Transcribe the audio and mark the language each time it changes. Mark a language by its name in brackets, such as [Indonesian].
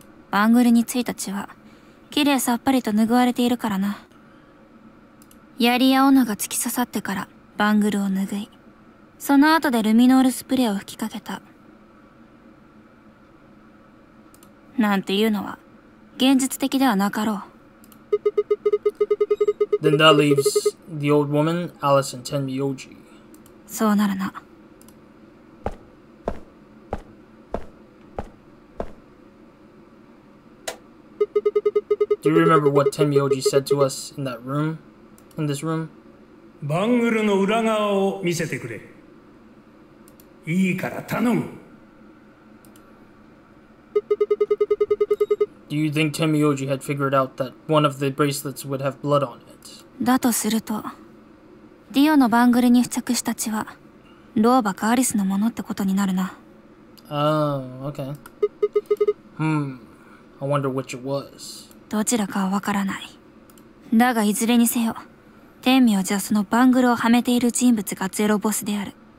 [Japanese] バングルについた血は、きれいさっぱりと拭われているからな。槍や斧が突き刺さってからバングルを拭い、その後でルミノールスプレーを吹きかけた。なんていうのは現実的ではなかろう。 [English] Then that leaves the old woman, Alice and Tenmyoji. [Japanese] そうなるな。 [English] Do you remember what Tenmyoji said to us in that room? In this room? [Japanese] バングルの裏側を見せてくれ。いいから頼む。 [English] Do you think Tenmyoji had figured out that one of the bracelets would have blood on it? [Japanese] だとすると、ディオのバングルに付着した血は、ローバかアリスのものってことになるな。 [English] Oh, okay. Hmm, I wonder which it was. [Japanese] どちらかはわからない。だがいずれにせよ、Tenmyojiはそのバングルをはめている人物がゼロボスである。